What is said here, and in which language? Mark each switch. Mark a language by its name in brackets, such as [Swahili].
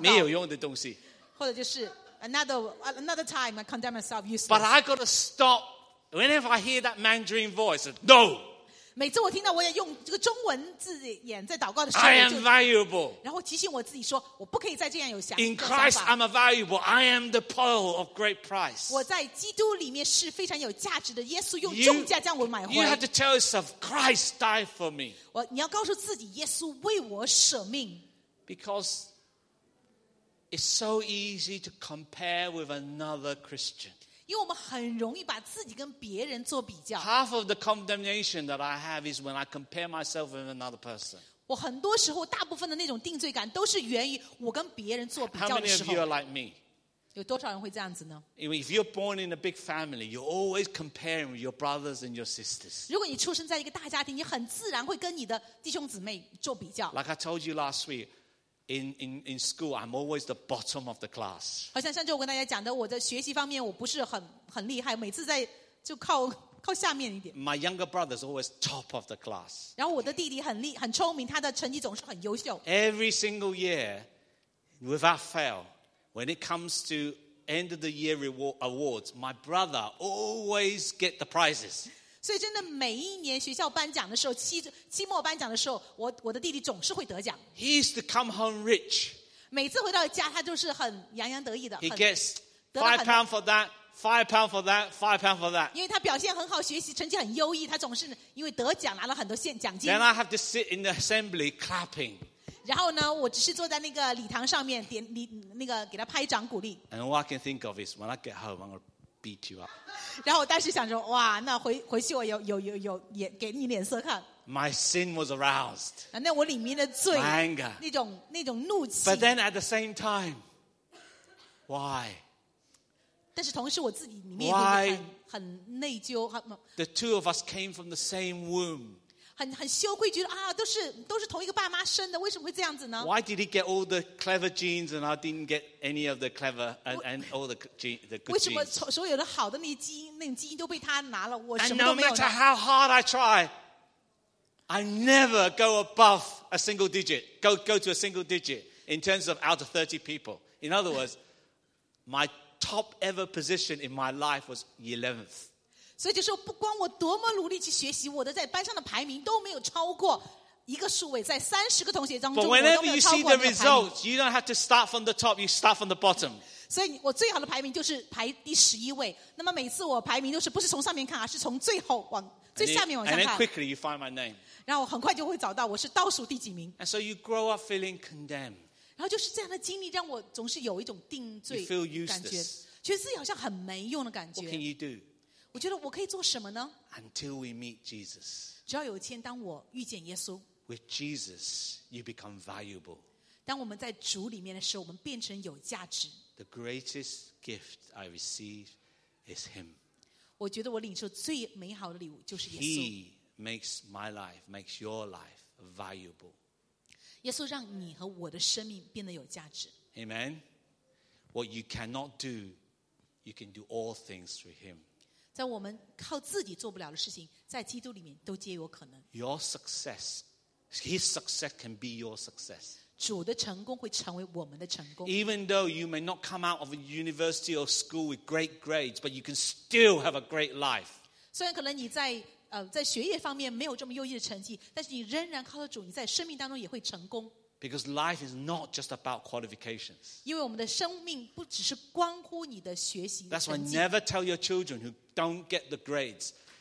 [Chinese] 没有用的东西。或者就是 [English] another time I condemn myself useless. But I got to stop whenever I hear that Mandarin voice. No. [Chinese] 每次我听到我也用这个中文字眼在祷告的时候 [English] I am valuable [Chinese] 然后提醒我自己说我不可以再这样有想法 [English] In Christ I'm a valuable I am the pearl of great price [Chinese] 我在基督里面是非常有价值的耶稣用重价将我买回 [English] you have to tell yourself Christ died for me [Chinese] 你要告诉自己耶稣为我舍命 [English] becauseIt's so easy to compare with another Christian. [Chinese] 因为我们很容易把自己跟别人做比较。 [English] Half of the condemnation that I have is when I compare myself with another person. [Chinese] 我很多时候大部分的那种定罪感都是源于我跟别人做比较的时候。 [English] How many of you are like me? [Chinese] 有多少人会这样子呢? [English] If you're born in a big family, you're always comparing with your brothers and your sisters. [Chinese] 如果你出生在一个大家庭，你很自然会跟你的弟兄姊妹做比较。 [English] Like I told you last week,In school, I'm always the bottom of the class. [Chinese] 好像上周我跟大家讲的，我在学习方面我不是很厉害，每次在就靠下面一点。 [English] My younger brother is always top of the class. [Chinese] 然后我的弟弟很聪明，他的成绩总是很优秀。 [English] Every single year, without fail, when it comes to end of the year awards, my brother always get the prizes. [Chinese] 所以真的每一年学校颁奖的时候，期末颁奖的时候，我的弟弟总是会得奖。 [English] He used to come home rich. [Chinese] 每次回到家，他就是很洋洋得意的。 [English] He gets £5 for that, £5 for that, £5 for that. [Chinese] 因为他表现很好，学习成绩很优异，他总是因为得奖拿了很多奖金。 [English] Then I have to sit in the assembly clapping. [Chinese] 然后呢，我只是坐在那个礼堂上面点那个给他拍掌鼓励。 [English] And what I can think of is when I get home, I'm gonna beat you up. [Chinese] 然后我当时想说，哇，那回去我有脸给你脸色看。 [English] My sin was aroused. [Chinese] 那我里面的罪 [English] My anger. [Chinese] 那种怒气。 [English] But then at the same time, why? [Chinese] 但是同时我自己里面也会很内疚。 [English] The two of us came from the same womb. [Chinese] 很羞愧，觉得啊，都是同一个爸妈生的，为什么会这样子呢 [English] ？Why did he get all the clever genes and I didn't get any of the clever and all the good genes？ [Chinese] 为什么所有的好的那基因都被他拿了，我什么都没 [English] 有？And no matter how hard I try, I never go above a single digit. Go to a single digit in terms of out of 30 people. In other words, my top ever position in my life was 11th. [Chinese] 所以就是不管我多么努力去学习我的在班上的排名都没有超过一个数位在三十个同学当中我都没有超过那个排名 [English] But whenever you see the results you don't have to start from the top you start from the bottom [Chinese] 所以我最好的排名就是排第十一位那么每次我排名都是不是从上面看而是从最后往最下面往下看 [English] And then quickly you find my name [Chinese] 然后我很快就会找到我是倒数第几名 [English] And so you grow up feeling condemned [Chinese] 然后就是这样的经历让我总是有一种定罪感觉 [English] You feel useless [Chinese] 觉得自己好像很没用的感觉 [English] What can you do? [Chinese] 我觉得我可以做什么呢 [English] Until we meet Jesus. [Chinese] 只要有一天当我遇见耶稣 [English] With Jesus, you become valuable. [Chinese] 当我们在主里面的时候我们变成有价值 [English] The greatest gift I receive is Him. [Chinese] 我觉得我领受最美好的礼物就是耶稣 [English] He makes my life, makes your life valuable. [Chinese] 耶稣让你和我的生命变得有价值 [English] Amen. What you cannot do, you can do all things through Him. [Chinese] 在我们靠自己做不了的事情，在基督里面都皆有可能。 [English] Your success, His success can be your success. [Chinese] 主的成功会成为我们的成功。 [English] Even though you may not come out of a university or school with great grades, but you can still have a great life. [Chinese] 虽然可能你在学业方面没有这么优异的成绩，但是你仍然靠着主，你在生命当中也会成功。 [English] Because life is not just about qualifications. [Chinese] 因为我们的生命不只是关乎你的学习成绩。 [English] That's why never tell your children who don't get the grades.